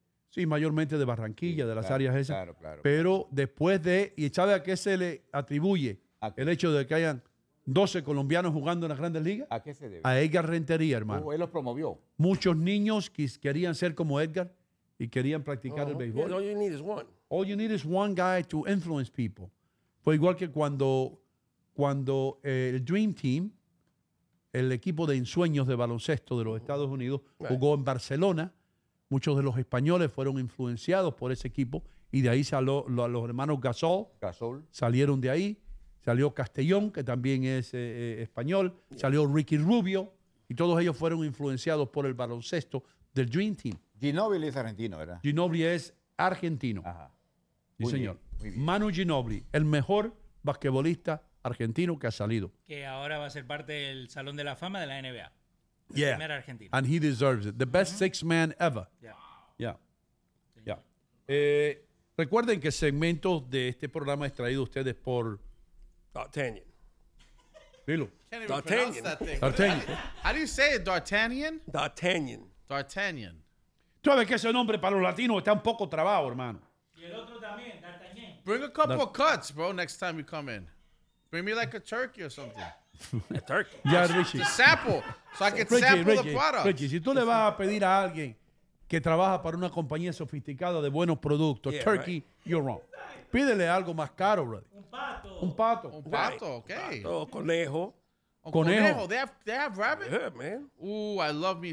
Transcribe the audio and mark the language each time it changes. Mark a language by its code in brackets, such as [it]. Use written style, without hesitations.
[es] Sí, mayormente de Barranquilla, sí, de las claro, áreas esas. Claro. Pero después de... ¿Y sabe a qué se le atribuye el hecho de que hayan 12 colombianos jugando en las Grandes Ligas? ¿A qué se debe? A Edgar Rentería, hermano. Él los promovió. Muchos niños querían ser como Edgar y querían practicar el béisbol. [en] All you need is one. All you need is one guy to influence people. [es] Fue igual que cuando el Dream Team, el equipo de ensueños de baloncesto de los Estados Unidos, jugó en Barcelona. Muchos de los españoles fueron influenciados por ese equipo y de ahí salió los hermanos Gasol. Salieron de ahí. Salió Castellón, que también es español. Salió Ricky Rubio. Y todos ellos fueron influenciados por el baloncesto del Dream Team. Ginobili es argentino, ¿verdad? Ginobili es argentino. Ajá. Sí, señor. Manu Ginobili, el mejor basquetbolista argentino que ha salido. Que ahora va a ser parte del Salón de la Fama de la NBA. [en] Yeah. [es] El primer argentino. [en] And he deserves it. The best six man ever. Yeah. Yeah. [es] Sí. [en] Yeah. [es] Recuerden que segmentos de este programa es traído a ustedes por... D'Artagnan. Dilo. [en] D'Artagnan. How do you say it? D'Artagnan? D'Artagnan. D'Artagnan. [es] Tú sabes que ese nombre para los latinos está un poco trabado, hermano. [en] Bring a couple of cuts, bro, next time you come in. Bring me like a turkey or something. A turkey? Yeah, Richie. To sample, so I can sample the products. [es] Richie, si tú le vas a pedir a alguien que trabaja para una compañía sofisticada de buenos productos, [en] yeah, turkey, right. You're wrong. [es] Pídele algo más caro, bro. Un pato. Un pato. Un pato, okay. O conejo. Conejo. [en] They have rabbit? Yeah, man. Ooh, I love me